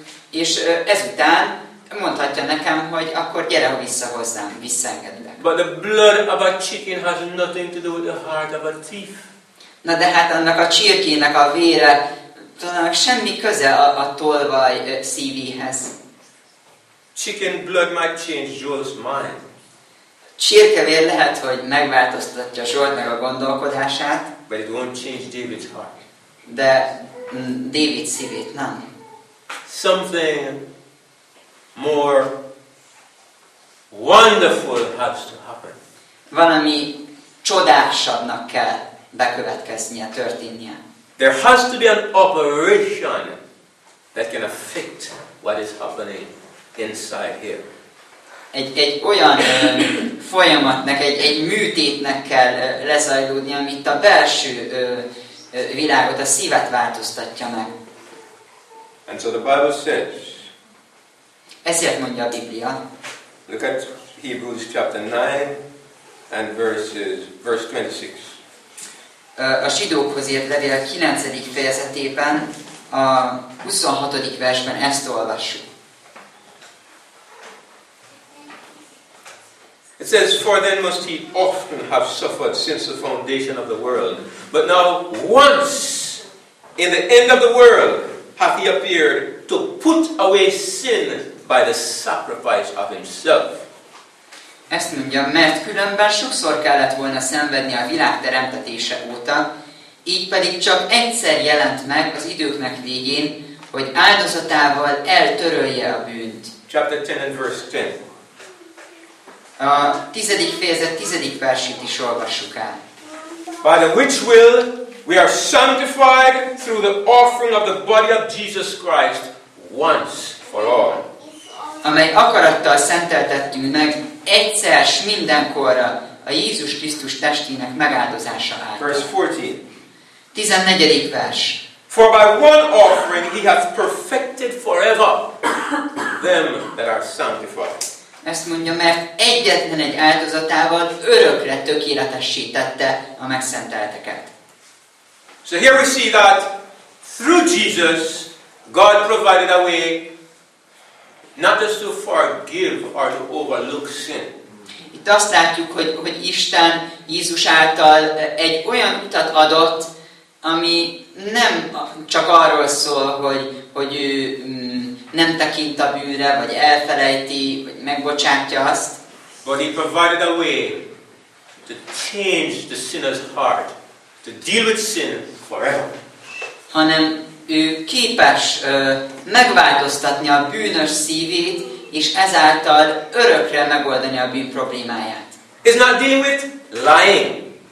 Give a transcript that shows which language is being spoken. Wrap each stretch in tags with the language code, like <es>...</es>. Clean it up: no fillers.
<hu>És ezután mondhatja nekem, hogy akkor gyere vissza hozzám, visszaengedlek.</hu> <en>But the blood of a chicken has nothing to do with the heart of a thief.</en> <hu>Na de hát annak a csirkének a vére tulajdonképpen semmi köze a tolvaj szívéhez.</hu> <en>Chicken blood might change Joel's mind.</en> <hu>Csirkevér lehet, hogy megváltoztatja Zsoltnak a gondolkodását.</hu> <en>But it won't change David's heart.</en> <hu>De David szívét nem.</hu> <en>Something more wonderful has to happen.</en> <hu>Valami csodásabbnak kell bekövetkeznie, történnie.</hu> <en>There has to be an operation that can affect what is happening inside here.</en> <hu>Egy olyan folyamatnak, egy műtétnek kell lezajlódni, amit a belső világot, a szívet változtatja meg.</hu> <en>And so the Bible says.</en> <hu>Ezért mondja a Biblia.</hu> <en>Look at Hebrews chapter 9 and verse 26.</en> <hu>A zsidókhoz írt levél 9. fejezetében a 26. versben ezt olvassuk.</hu> <en>It says, for then must he often have suffered since the foundation of the world. But now once in the end of the world hath he appeared to put away sin by the sacrifice of himself.</en> <hu>Ezt mondja, mert különben sokszor kellett volna szenvedni a világ teremtetése óta, így pedig csak egyszer jelent meg az időknek végén, hogy áldozatával eltörölje a bűnt.</hu> <en>Chapter 10 and verse 10.</en> <hu>A 10. fejezet 10. versét is olvassuk el.</hu> <en>By the which will we are sanctified through the offering of the body of Jesus Christ once for all.</en> <hu>Amely akarattal szenteltettünk meg egyszer s mindenkorra a Jézus Krisztus testének megáldozása által.</hu> <en>Verse 14.</en> <hu>14. vers.</hu> <en>For by one offering he hath perfected forever them that are sanctified.</en> <hu>Ezt mondja, mert egyetlen egy áldozatával örökre tökéletesítette a megszentelteket.</hu> <en>So here we see that through Jesus God provided a way not just to forgive or to overlook sin.</en> <hu>Itt azt látjuk, hogy, hogy Isten Jézus által egy olyan utat adott, ami nem csak arról szól, hogy, hogy ő nem tekint a bűnre, vagy elfelejti, vagy megbocsátja azt.</hu> <en>But he provided a way to change the sinner's heart, to deal with sin forever.</en> <hu>Hanem ő képes megváltoztatni a bűnös szívét, és ezáltal örökre megoldani a bűn problémáját.</hu> <en>It's not dealing with lying.</en>